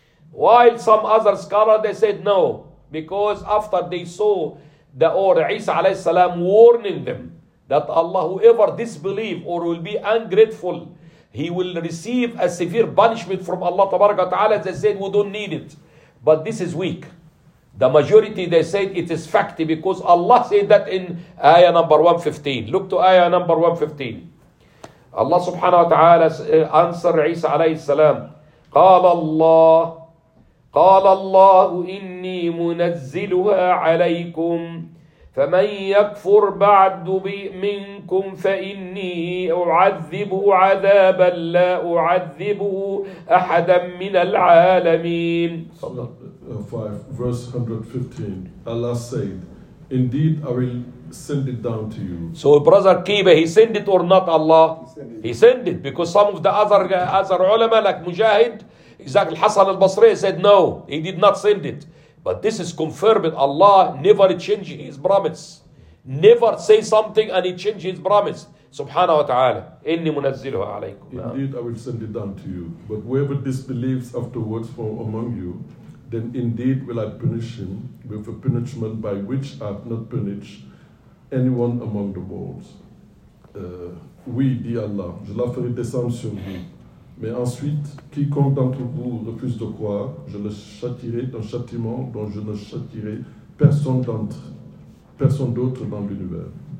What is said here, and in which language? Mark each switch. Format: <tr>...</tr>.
<en>while some other scholars they said no because after they saw the or Isa عليه السلام warning them that Allah whoever disbelieve or will be ungrateful He will receive a severe punishment from Allah tabaraka wa ta'ala. They said, we don't need it. But this is weak. The majority, they said, it is fact because Allah said that in ayah number 115. Look to ayah number 115.</en> <ar>الله سبحانه وتعالى أنصر عيسى عليه السلام قال الله إني منزلها عليكم فمن يكفر بعد منكم فإني أعذبه عذابا لا أعذبه أحدا من العالمين.</ar> <en>Verse 115. Allah said, indeed I will send it down to you. So brother Kiba, he sent it or not Allah? He sent it because some of the other ulama like Mujahid, exactly Hassan al-Basri said no, he did not send it. But this is confirmed. Allah never changes his promise. Never say something and he changes his promise.</en> <ar>Subhanahu wa ta'ala. Inni munazziluhu alaykum.</ar> <en>Indeed, I will send it down to you. But whoever disbelieves afterwards from among you, then indeed will I punish him with a punishment by which I have not punished anyone among the worlds.</en> <fr>Oui, dit Allah, je la ferai descendre sur vous. Mais ensuite, quiconque d'entre vous refuse de croire, je le châtirai d'un châtiment dont je ne châtirai personne d'autre dans l'univers.</fr>